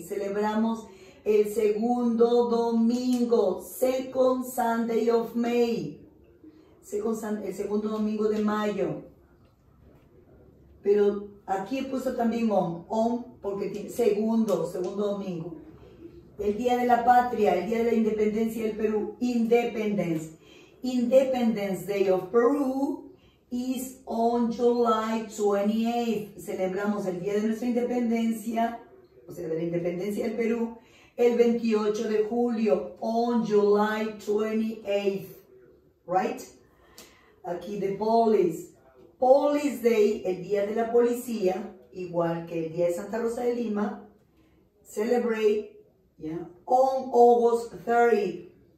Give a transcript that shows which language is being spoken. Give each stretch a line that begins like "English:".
Spanish: Celebramos el segundo domingo,
English: second Sunday of May.
Spanish: El segundo domingo de mayo. Pero aquí he puesto también on porque tiene segundo domingo. El día de la patria, el día de la independencia del Perú, Independence.
English: Independence Day of Peru is on July 28th.
Spanish: Celebramos el día de nuestra independencia, o sea, de la independencia del Perú, el 28 de julio,
English: on July 28th.
Spanish: Right? Aquí
English: the police. Police Day,
Spanish: el día de la policía, igual que el día de Santa Rosa de Lima,
English: celebrate, yeah, on August 30th.